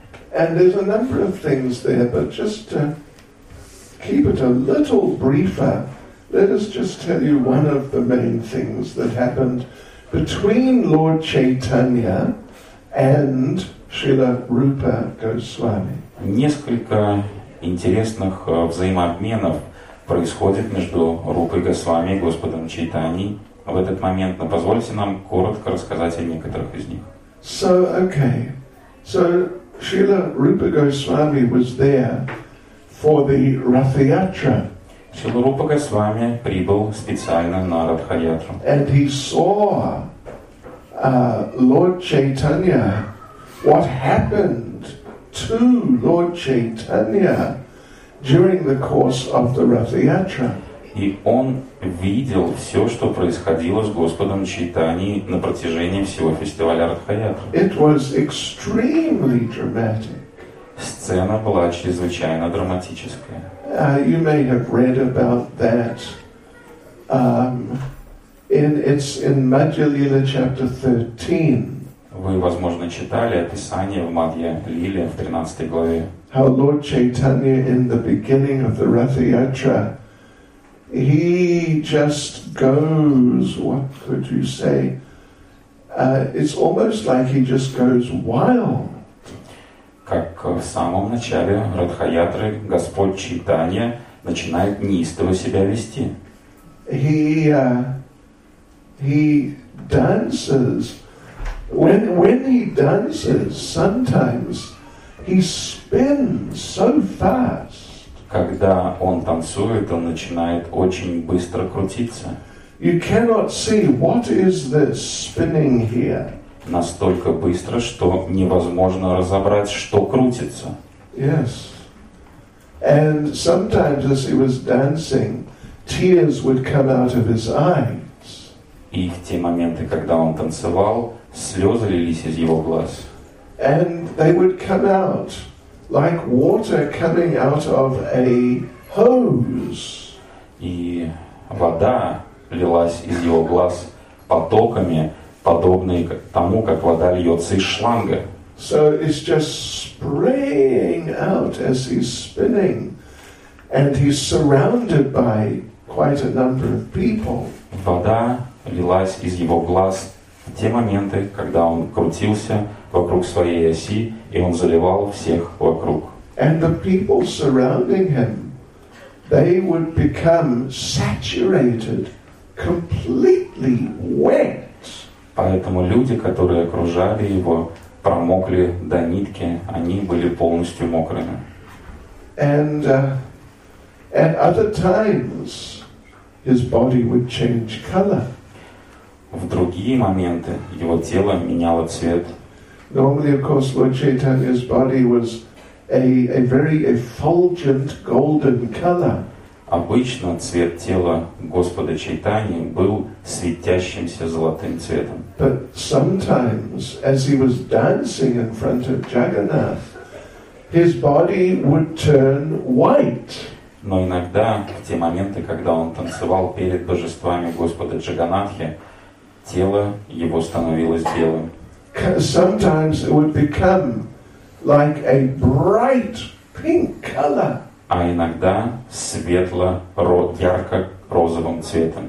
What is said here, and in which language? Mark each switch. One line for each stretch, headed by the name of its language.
English: And there's a number of things there, but just to keep it a little briefer, let us just tell you one of the main things that happened between Lord Chaitanya and Srila Rupa Goswami.
Russian: Несколько интересных взаимообменов происходит между Рупой Госвами и Господом Чайтаньей. В этот момент, но позвольте нам коротко рассказать о некоторых из них.
English: So, okay. So, Srila Rupa Goswami was there for the Rath Yatra.
Russian: Srila Rupa Goswami прибыл специально на Ратха Ятру.
English: And he saw Lord Chaitanya, what happened to Lord Chaitanya during the course of the Rath Yatra.
Russian: И он видел все, что происходило с Господом Чайтаньей на протяжении всего фестиваля Радха-Ятры.
English: It was extremely dramatic.
Russian: Сцена была чрезвычайно драматическая.
English: You may have read about that in Madhya Lila chapter 13.
Russian: Вы, возможно, читали описание в Мадья Лиле в 13 главе.
English: How Lord Chaitanya in the beginning of the Радха-Ятра he just goes, what could you say? It's almost like he just goes wild.
Russian: Как в самом начале Радха-Ятры Господь Чайтанья начинает неистово себя вести.
English: He dances. When he dances, sometimes he spins so fast.
Russian: Когда он танцует, он начинает очень быстро крутиться.
English: You cannot see what is this spinning here.
Russian: Настолько быстро, что невозможно разобрать, что крутится.
English: Yes. And sometimes as he was dancing, tears would come out of his eyes.
Russian: И в те моменты, когда он танцевал, слезы лились из его глаз.
English: And they would come out like water coming out of a hose.
Russian: И вода лилась из его глаз потоками, подобные тому, как вода льется из шланга.
English: So it's just spraying out as he's spinning, and he's surrounded by quite a number of people.
Russian: Вода лилась из его глаз в те моменты, когда он крутился вокруг своей оси, и он заливал всех вокруг.
English: And the people surrounding him, they would become saturated, completely wet.
Russian: Поэтому люди, которые окружали его, промокли до нитки, они были полностью мокрыми.
English: And At other times, his body would change color.
Russian: В другие моменты его тело меняло цвет.
English: Normally, of course, Lord Chaitanya's body was a very effulgent golden color.
Russian: Обычно цвет тела Господа Чайтани был светящимся золотым цветом.
English: But sometimes, as he was dancing in front of Jagannath, his body would turn white.
Russian: Но иногда, в те моменты, когда он танцевал перед божествами Господа Джаганатхи, тело его становилось белым.
English: Sometimes it would become like a bright pink color.
Russian: А иногда ярко-розовым цветом.